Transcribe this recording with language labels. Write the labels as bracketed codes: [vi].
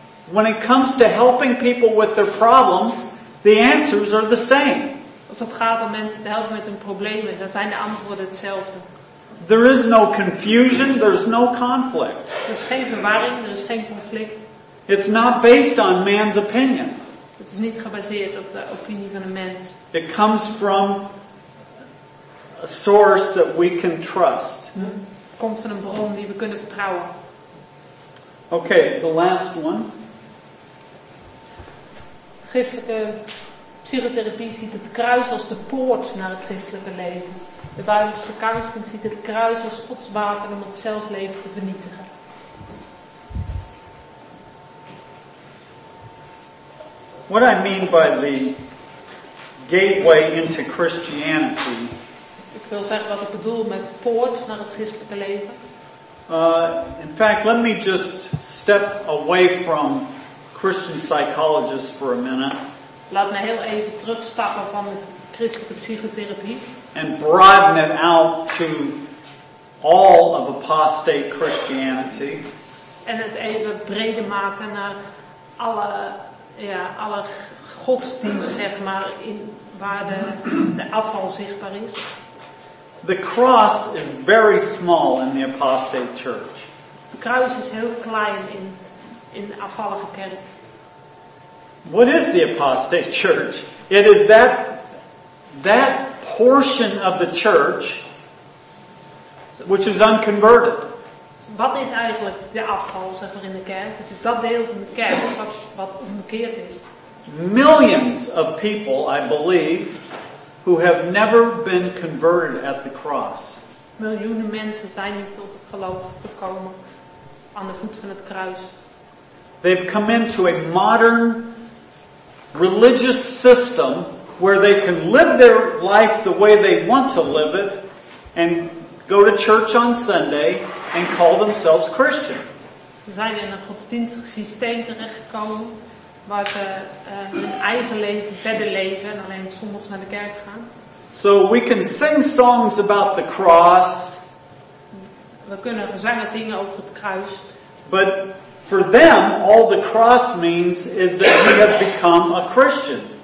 [en] When it comes to helping people with their problems, the answers are the same. [nl] Als het gaat om mensen te helpen met hun problemen, dan zijn de antwoorden hetzelfde. [en] There is no confusion, there's no conflict. [nl] Er is geen verwarring, er is geen conflict. [en] It's not based on man's opinion. [nl] Het is niet gebaseerd op de opinie van een mens. [en] It comes from a source that we can trust. [nl] Komt van een bron die we kunnen vertrouwen. [en] Okay, the last one. [nl] Christelijke psychotherapie ziet het kruis als de poort naar het christelijke leven. De Bijbelse counseling ziet het kruis als Gods wapen om het zelfleven te vernietigen. [en] What I mean by the gateway into Christianity. [nl] Ik wil zeggen wat ik bedoel met poort naar het christelijke leven. [en] In fact, let me just step away from Christian psychologists for a minute. [nl] Laat me heel even terugstappen van de christelijke psychotherapie. [en] And broaden it out to all of apostate Christianity. [nl] En het even breder maken naar alle, ja, alle godsdienst, zeg maar, in, waar de afval zichtbaar is. [en] The cross is very small in the apostate church. [nl] De kruis is heel klein in de afvallige kerk. [en] What is the apostate church? It is that portion of the church which is unconverted. [nl] Wat is eigenlijk de afval, zeg maar, in de kerk? Het is dat deel van de kerk wat onbekeerd is. [en] Millions of people, I believe, who have never been converted at the cross. [nl] Miljoenen mensen zijn niet tot geloof gekomen aan de voet van het kruis. [en] They've come into a modern religious system where they can live their life the way they want to live it and go to church on Sunday and call themselves Christian. [nl] Ze zijn in een godsdienstig systeem terechtgekomen waar ze hun eigen leven verder leven en alleen zondags naar de kerk gaan. [en] So we can sing songs about the cross. [nl] We kunnen gezangen zingen over het kruis. [en] But for them, all the cross means is that you have become a Christian.